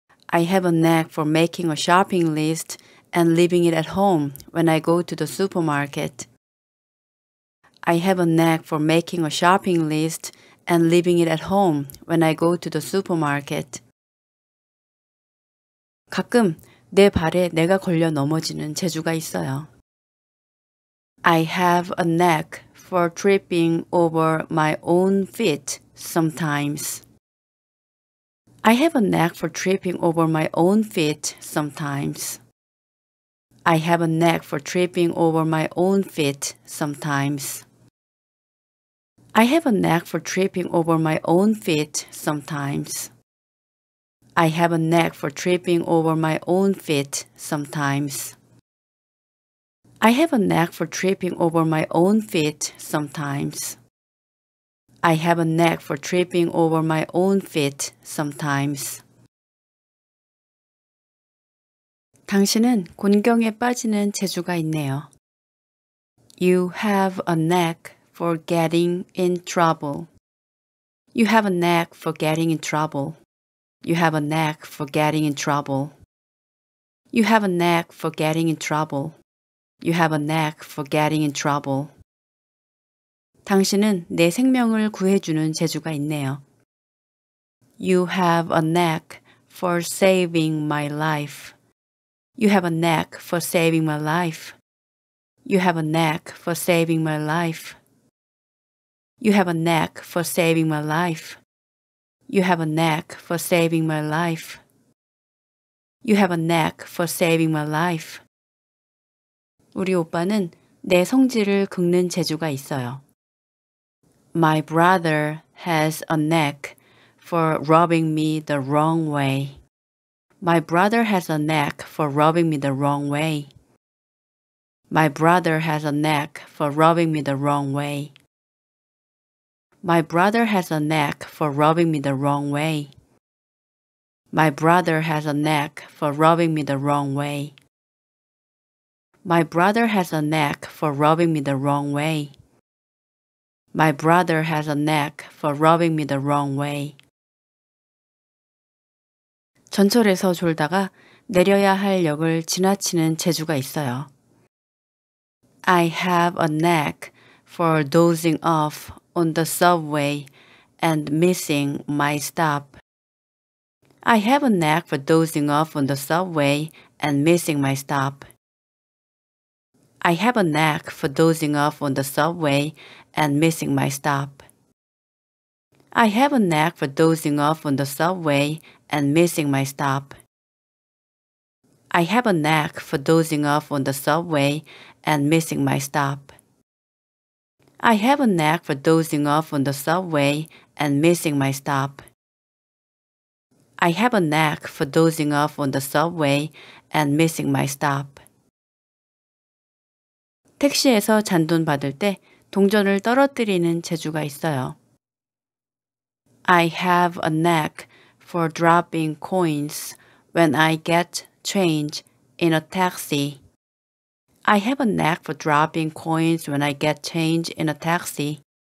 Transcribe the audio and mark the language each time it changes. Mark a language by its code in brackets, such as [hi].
[en] I have a knack for making a shopping list and leaving it at home when I go to the supermarket. I have a knack for making a shopping list and leaving it at home when I go to the supermarket. [ko] 가끔 내 발에 내가 걸려 넘어지는 재주가 있어요. [en] I have a knack for tripping over my own feet sometimes. I have a knack for tripping over my own feet sometimes. I have a knack for tripping over my own feet sometimes. I have a knack for tripping over my own feet sometimes. I have a knack for tripping over my own feet sometimes. I have a knack for tripping over my own feet sometimes. I have a knack for tripping over my own feet sometimes. [ko] 당신은 곤경에 빠지는 재주가 있네요. [en] You have a knack for getting in trouble. You have a knack for getting in trouble. You have a knack for getting in trouble. You have a knack for getting in trouble. You have a knack for getting in trouble. [ko] 당신은 내 생명을 구해주는 재주가 있네요. [en] You have a knack for saving my life. You have a knack for saving my life. You have a knack for saving my life. You have a knack for saving my life. You have a knack for saving my life. You have a knack for saving my life. [ko] 우리 오빠는 내 성질을 긁는 재주가 있어요. [en] My brother has a knack for rubbing me the wrong way. My brother has a knack for rubbing me the wrong way. My brother has a knack for rubbing me the wrong way. My brother has a knack for rubbing me the wrong way. My brother has a knack for rubbing me the wrong way. My brother has a knack for rubbing me the wrong way. My brother has a knack for rubbing me the wrong way. [ko] 전철에서 졸다가 내려야 할 역을 지나치는 재주가 있어요. [en] I have a knack for dozing off on the subway and missing my stop. I have a knack for dozing off on the subway and missing my stop. I have a knack for dozing off on the subway and missing my stop. I have a knack for dozing off on the subway and missing my stop. I have a knack for dozing off on the subway and missing my stop. I have a knack for dozing off on the subway and missing my stop. I have a knack for dozing off on the subway and missing my stop. [ko] 택시에서 잔돈 받을 때 동전을 떨어뜨리는 재주가 있어요. [en] I have a knack for dropping coins when I get change in a taxi. I have a knack for dropping coins when I get change in a taxi.